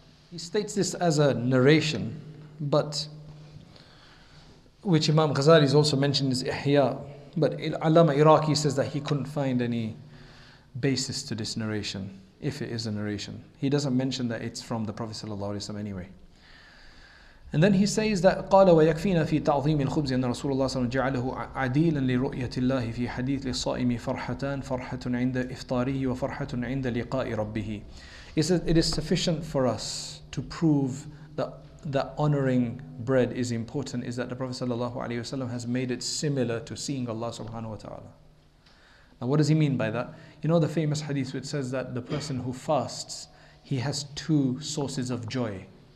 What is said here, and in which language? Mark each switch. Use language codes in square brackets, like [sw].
[en] He states this as a narration, but which Imam Ghazali is also mentioned is Ihya, but Allama Iraqi says that he couldn't find any basis to this narration, if it is a narration. He doesn't mention that it's from the Prophet sallallahu alaihi wasallam anyway. And then he says that [ar] قَالَ وَيَكْفِينَا فِي تَعْظِيمِ الْخُبْزِ أَنَّ رَسُولَ اللَّهِ صَلَّى جَعَلَهُ عَدِيلًا لِرُؤْيَةِ اللَّهِ فِي حَدِيثِ لِصَائِمِ فَرْحَتَانِ فَرْحَةٌ عِنْدَ إِفْطَارِهِ وَفَرْحَةٌ عِنْدَ لِقَاءِ رَبِّهِ. [en] He says it is sufficient for us to prove that honoring bread is important is that the Prophet sallallahu alaihi wasallam has made it similar to seeing Allah subhanahu wa ta'ala. Now what does he mean by that? You know the famous hadith which says that the person who fasts, he has two sources of joy.